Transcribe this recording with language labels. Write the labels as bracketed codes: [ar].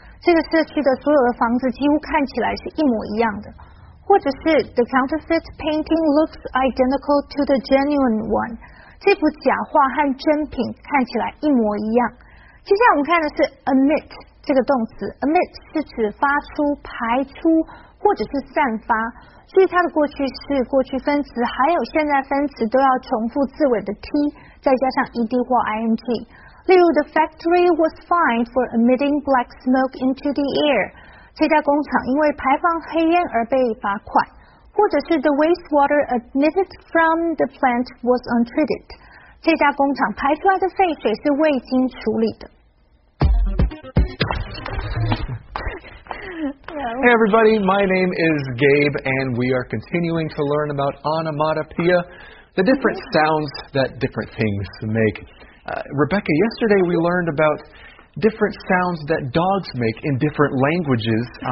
[zh] 这个社区的所有的房子几乎看起来是一模一样的。或者是 [en] ，The counterfeit painting looks identical to the genuine one。 [zh] 这幅假画和真品看起来一模一样。接下来我们看的是 emit 这个动词 ，emit 是指发出、排出。或者是散发，所以它的过去式、过去分词还有现在分词都要重复字尾的 t， 再加上 ed 或 ing。例如 [en] ，The factory was fined for emitting black smoke into the air。 [zh] 这家工厂因为排放黑烟而被罚款。或者是 [en] ，The wastewater emitted from the plant was untreated。 [zh] 这家工厂排出来的废水是未经处理的。 [en] Hey everybody, my name is Gabe and we are continuing to learn about onomatopoeia, the different sounds that different things make. Rebecca, yesterday we learned about different sounds that dogs make in different languages.